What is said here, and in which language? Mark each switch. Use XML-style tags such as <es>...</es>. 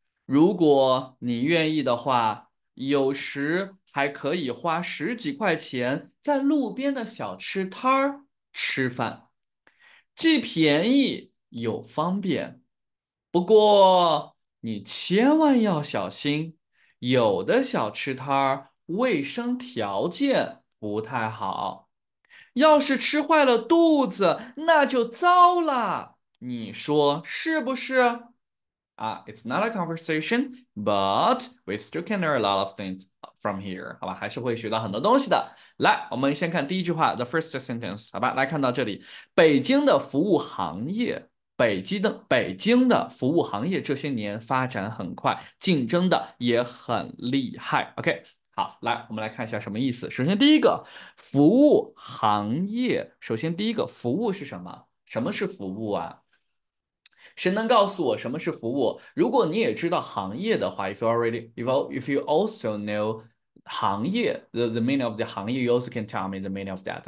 <zh>如果你愿意的话，有时还可以花十几块钱在路边的小吃摊儿吃饭，既便宜又方便。不过，你千万要小心，有的小吃摊儿卫生条件不太好，要是吃坏了肚子，那就糟了。你说是不是？</zh> <en>It's not a conversation, but we still can learn a lot of things from here。</en> <zh>好吧，还是会学到很多东西的。来，我们先看第一句话，</zh> <en>the first sentence。</en> <zh>好吧，来看到这里，北京的服务行业。北京的服务行业这些年发展很快，竞争的也很厉害。 OK，好，来，我们来看一下什么意思。首先，第一个服务行业，首先第一个服务是什么？什么是服务啊？谁能告诉我什么是服务？如果你也知道行业的话，</zh> <en>if you also know 行业 the meaning of the 行业，you also can tell me the meaning of that.</en>